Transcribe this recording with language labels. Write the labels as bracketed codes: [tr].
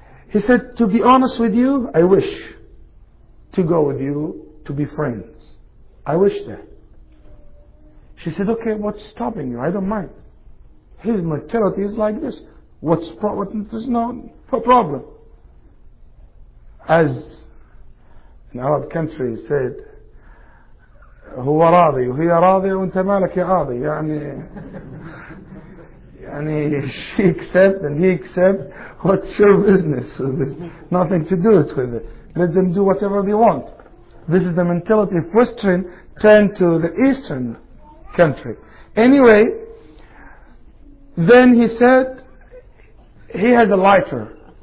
[en] He said, to be honest with you, I wish to go with you, to be friends. I wish that. She said, okay, what's stopping you? I don't mind. His mentality is like this. There's no problem. As an Arab country said, [ar] هو راضي وهي راضي وانت مالك يا راضي. [en] يعني she accepts and he accepts. What's your business? Nothing to do with it. Let them do whatever they want. This is the mentality of Western turned to the Eastern country. Anyway, then he said he had a lighter.